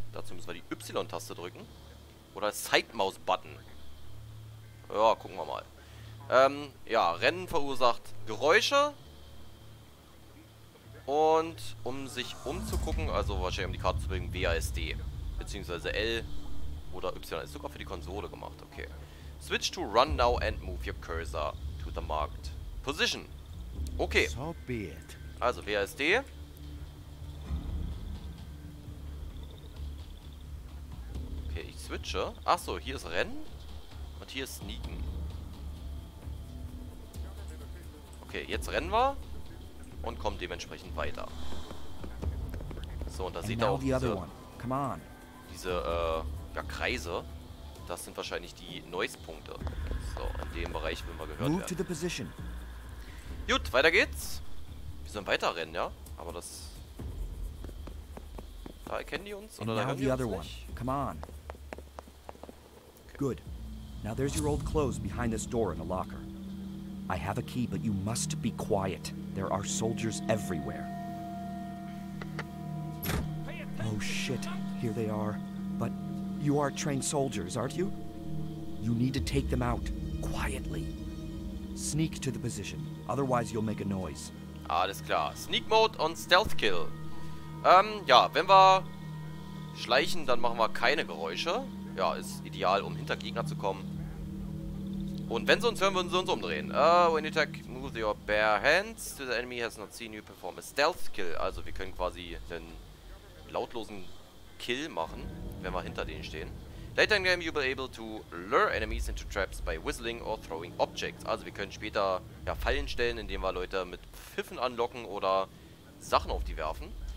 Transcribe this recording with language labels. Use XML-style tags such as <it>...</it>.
<de>Dazu müssen wir die Y-Taste drücken. Oder Side-Maus-Button. Ja, gucken wir mal. Ja, Rennen verursacht Geräusche. Und um sich umzugucken, also wahrscheinlich um die Karte zu bewegen, WASD. Beziehungsweise L oder Y. Ist sogar für die Konsole gemacht, okay.</de> <en>Switch to run now and move your cursor to the marked position.</en> <de>Okay. Also WASD. Okay, ich switche. Achso, hier ist Rennen. Und hier ist Sneaken. Okay, jetzt rennen wir und kommen dementsprechend weiter. So, und da sieht er auch diese Kreise. Das sind wahrscheinlich die Noise-Punkte. So, in dem Bereich würden wir gehört werden.</de> <en>Move to the position.</en> <de>Gut, weiter geht's. Wir sollen weiter rennen, ja? Aber das... Da erkennen die uns oder da hören die uns nicht?</de> <en>Come on. Good. Now there's your old clothes behind this door in the locker. I have a key, but you must be quiet. There are soldiers everywhere. Oh shit, here they are. But you are trained soldiers, aren't you? You need to take them out, quietly. Sneak to the position, otherwise you'll make a noise.</en> <de>Alles klar, Sneak Mode und Stealth Kill. Ja, wenn wir schleichen, dann machen wir keine Geräusche. Ja, ist ideal, um hinter Gegner zu kommen. Und wenn sie uns hören, würden sie uns umdrehen.</de> <en>When you attack, move your bare hands to the enemy has not seen you perform a stealth kill.</en> <de>Also wir können quasi den lautlosen Kill machen, wenn wir hinter denen stehen.</de> <en>Later in game, you'll be able to lure enemies into traps by whistling or throwing objects.</en> <de>Also wir können später ja, Fallen stellen, indem wir Leute mit Pfiffen anlocken oder Sachen auf die werfen.</de>